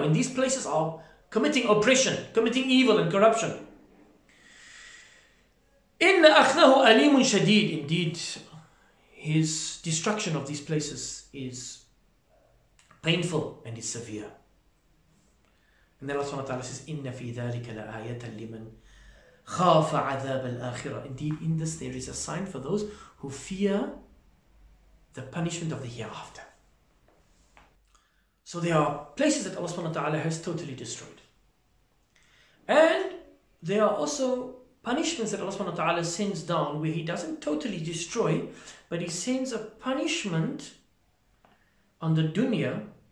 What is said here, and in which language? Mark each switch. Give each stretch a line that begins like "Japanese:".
English: When these places are committing oppression, committing evil and corruption.
Arabic: إِنَّ أَخْذَهُ أَلِيمٌ شَدِيدٌ.
English: Indeed, his destruction of these places is painful and is severe. And then Allah subhanahu wa ta'ala says,
Arabic: إِنَّ فِي ذَلِكَ لَآيَةً لِمَنْ خَافَ عَذَابَ الْآخِرَةِ.
English: Indeed, in this there is a sign for those who fear the punishment of the hereafter. So there are places that Allah subhanahu wa ta'ala has totally destroyed. And there are also punishments that Allah subhanahu wa ta'ala sends down where he doesn't totally destroy, but he sends a punishment on the dunya.